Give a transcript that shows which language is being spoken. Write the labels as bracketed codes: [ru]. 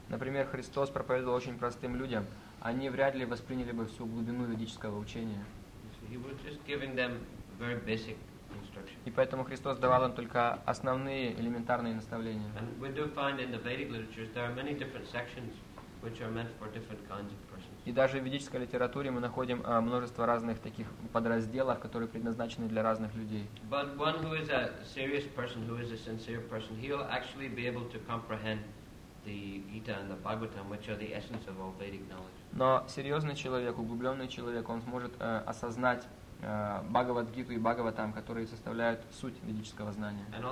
[ru] Например, Христос проповедовал очень простым людям. Они вряд ли восприняли бы всю глубину ведического учения. [en] He was just giving them very basic instructions. [ru] И поэтому Христос давал им только основные элементарные наставления. [en] And we do find in the Vedic literature there are many different sections which are meant for different kinds of persons. [ru] И даже в ведической литературе мы находим множество разных таких подразделов, которые предназначены для разных людей. [en] But one who is a serious person, who is a sincere person, he'll actually be able to comprehend the Gita and the Bhagavatam, which are the essence of all Vedic knowledge. [ru] Но серьезный человек, углубленный человек, он сможет осознать Бхагавад-гиту и Бхагаватам, которые составляют суть ведического знания.